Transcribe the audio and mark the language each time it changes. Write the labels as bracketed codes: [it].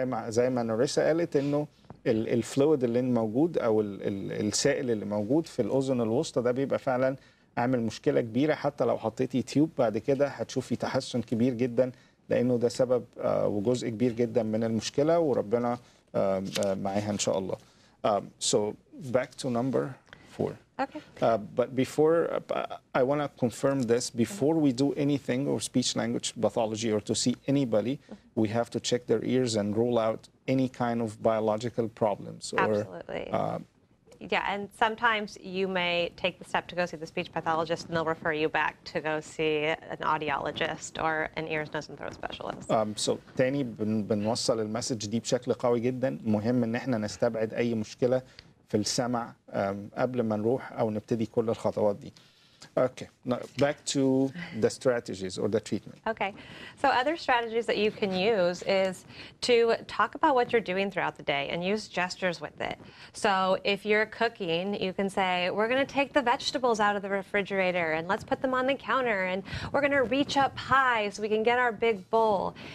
[ar] زي ما ناريسا قالت انه الفلويد اللي موجود او السائل اللي موجود في الاذن الوسطى ده بيبقى فعلا عامل مشكله كبيره حتى لو حطيتي تيوب بعد كده هتشوفي تحسن كبير جدا لانه ده سبب وجزء كبير جدا من المشكله وربنا معاها ان شاء الله. [en] So back to number four. Okay. But before I want to confirm this, before we do anything or speech language pathology or to see anybody, we have to check their ears and rule out any kind of biological problems. Absolutely. Yeah, and sometimes you may take the step to go see the speech pathologist and they'll refer you back to go see an audiologist or an ears, nose, and throat specialist. So [ar] تاني بنوصل المسج دي بشكل قوي جدا مهم ان احنا نستبعد اي مشكلة في السمع قبل ما نروح او نبتدي كل الخطوات دي. [en] Okay, now back to the strategies or the treatment. Okay, so other strategies that you can use is to talk about what you're doing throughout the day and use gestures with it. So if you're cooking, you can say, we're going to take the vegetables out of the refrigerator and let's put them on the counter and we're going to reach up high so we can get our big bowl.